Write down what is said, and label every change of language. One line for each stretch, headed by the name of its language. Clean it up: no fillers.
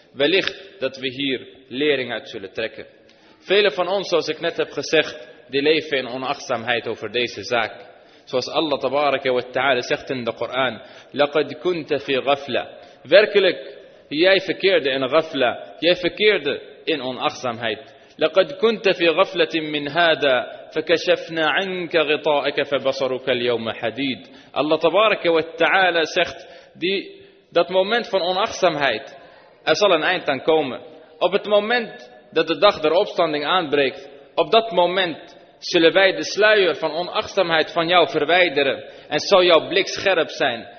Dutch: Wellicht dat we hier lering uit zullen trekken. Velen van ons, zoals ik net heb gezegd, die leven in onachtzaamheid over deze zaak. Zoals Allah tabaraka wa ta'ala zegt in de Koran,
Arabic: لقد كنت في غفلة.
Dutch: Werkelijk, jij verkeerde in غفلة. Jij verkeerde in onachtzaamheid.
Arabic: لقد كنت في غفلة من هذا فكشفنا عنك غطائك فبصرك اليوم حديد.
Dutch: Allah tabaraka wa ta'ala zegt, dat moment van onachtzaamheid, er zal een eind aan komen. Op het moment dat de dag der opstanding aanbreekt, op dat moment zullen wij de sluier van onachtzaamheid van jou verwijderen en zal jouw blik scherp zijn.